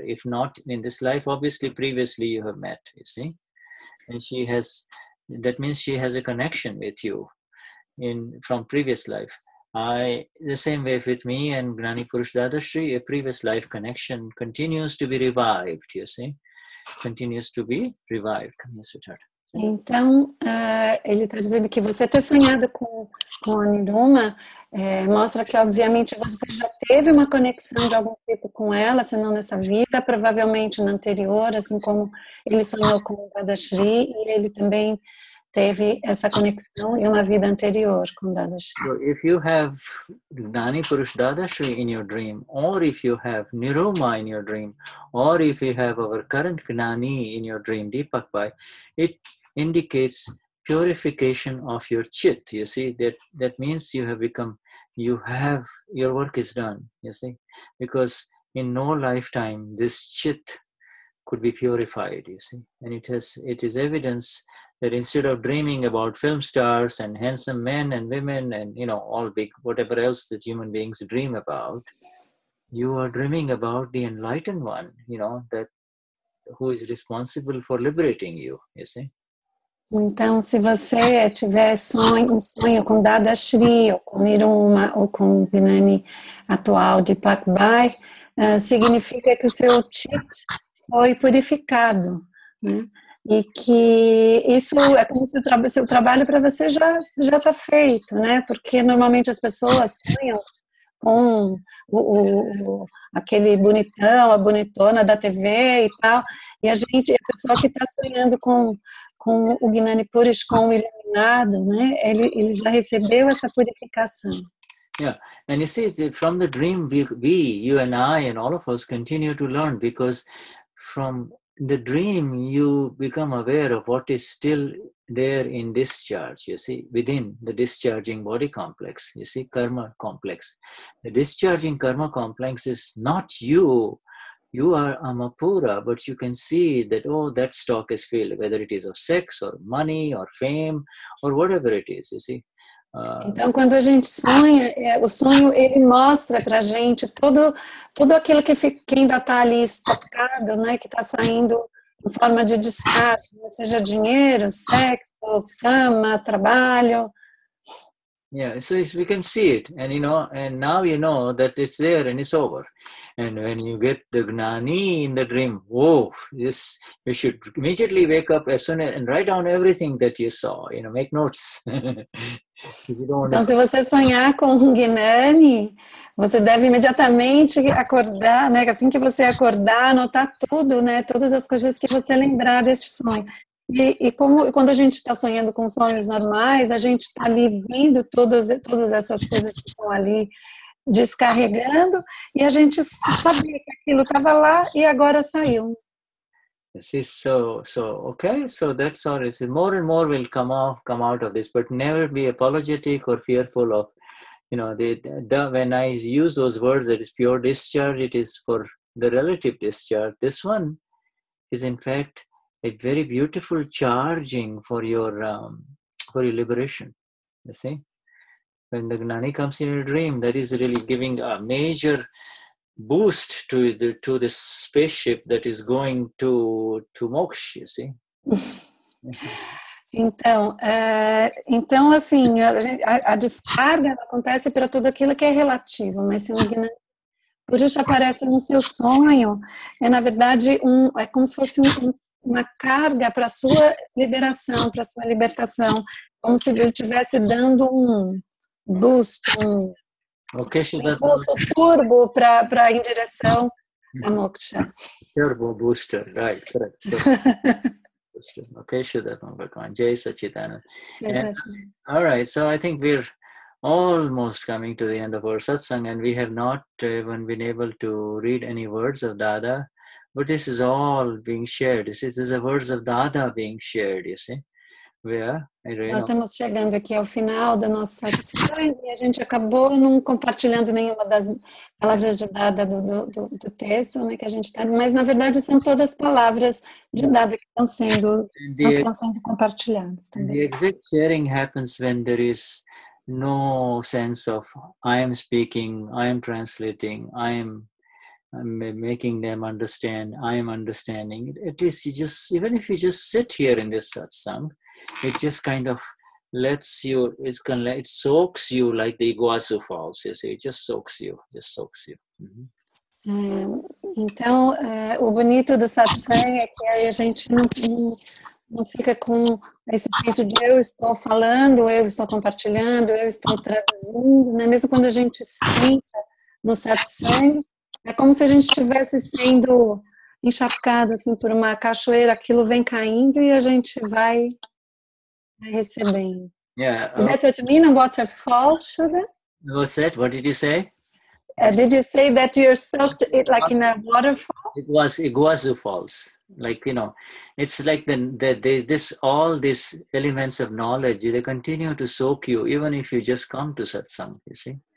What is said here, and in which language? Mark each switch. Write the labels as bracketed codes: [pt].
[en] If not in this life, obviously previously you have met, you see? And she has, that means she has a connection with you from previous life. The same way with me and Gnani Purush Dadashri, a previous life connection continues to be revived, you see? Continues to be revived. [pt] Então, ele está dizendo que você ter sonhado com a Niruma mostra que, obviamente, você já teve uma conexão de algum tipo com ela, se não nessa vida, provavelmente na anterior, assim como ele sonhou com o Dadashri, e ele também teve essa conexão em uma vida anterior com Dadashri. [en] So if you have Gnani Purush Dadashri in your dream, or if you have Niruma in your dream, or if you have our current Gnani in your dream, Deepak Bhai, it indicates purification of your chit. You see, that means you have become, your work is done, you see. Because in no lifetime, this chit could be purified, you see. And it is evidence that instead of dreaming about film stars and handsome men and women and, you know, all big, whatever else that human beings dream about, you are dreaming about the enlightened one, you know, that who is responsible for liberating you, you see? [pt] Então, se você tiver um sonho com Dadashri, ou com Niruma, ou com o Gnani atual de Pakbai, significa que o seu chit foi purificado, né? E que isso é como se o seu trabalho para você já está feito, né? Porque normalmente as pessoas sonham com aquele bonitão, a bonitona da TV e tal, e a pessoa que está sonhando com o Gnani Purush, com o iluminado, né? Ele já recebeu essa purificação. [en] Yeah, and you see, from the dream we, you and I, and all of us continue to learn, because from the dream you become aware of what is still there in discharge, you see, within the discharging body complex, you see, karma complex. The discharging karma complex is not you. You are Amapura, but you can see that, oh, that stock is filled, whether it is of sex or money or fame or whatever it is, you see. [pt] Então, quando a gente sonha, o sonho ele mostra para a gente tudo aquilo que ainda está ali estocado, né, que está saindo em forma de descarga, seja dinheiro, sexo, fama, trabalho. [en] Yeah, so we can see it, and you know, and now you know that it's there and it's over. And when you get the Gnani in the dream, oh, this, you should immediately wake up as soon as, and write down everything that you saw, you know, make notes. [pt] Então, se você sonhar com um Gnani, você deve imediatamente acordar, né? Assim que você acordar, anotar tudo, né? Todas as coisas que você lembrar deste sonho. E quando a gente está sonhando com sonhos normais, a gente está ali vendo todas essas coisas que estão ali descarregando, e a gente sabia que aquilo estava lá e agora saiu. [en] So that's all. It's more and more will come out of this, but never be apologetic or fearful of, you know, the when I use those words, that is pure discharge, it is for the relative discharge. This one is in fact a very beautiful charging for your liberation. You see? When the Gnani comes in your dream, that is really giving a major boost to the spaceship that is going to moksha, you see? [pt] então, assim, a descarga acontece para tudo aquilo que é relativo, mas se o Gnani Purush aparece no seu sonho, é na verdade é como se fosse uma carga para sua liberação, para sua libertação, como se ele estivesse dando um boost, um impulso turbo para a direção da moksha. [en] Turbo booster, right, correct. Booster. Okay, Shudhatma, Jai Sachidana. All right, so I think we're almost coming to the end of our satsang, and we have not even been able to read any words of Dada. But this is all being shared. This is the words of Dada being shared, you see. [pt] Nós estamos chegando aqui ao final da nossa satsang, e a gente acabou não compartilhando nenhuma das palavras de Dada do texto, né, que a gente está. Mas, na verdade, são todas palavras de Dada que estão sendo compartilhadas também. [en] The exact sharing happens when there is no sense of I am speaking, I am translating, I'm making them understand, I am understanding. At least you just, even if you just sit here in this satsang, it just kind of lets you, it soaks you like the Iguazu Falls, you see, it just soaks you, just soaks you. Mm-hmm. [pt] Então, o bonito do satsang é que aí a gente não fica com esse senso de eu estou falando, eu estou compartilhando, eu estou traduzindo, né? Mesmo quando a gente senta no satsang, é como se a gente estivesse sendo encharcado assim, por uma cachoeira, aquilo vem caindo e a gente vai recebendo. [en] Yeah. That what you mean, a waterfall, Shuda? What's that? What did you say? Did you say that you soaked it like in a waterfall? It was Iguazu Falls. Like, you know, it's like all these elements of knowledge, they continue to soak you, even if you just come to satsang, you see?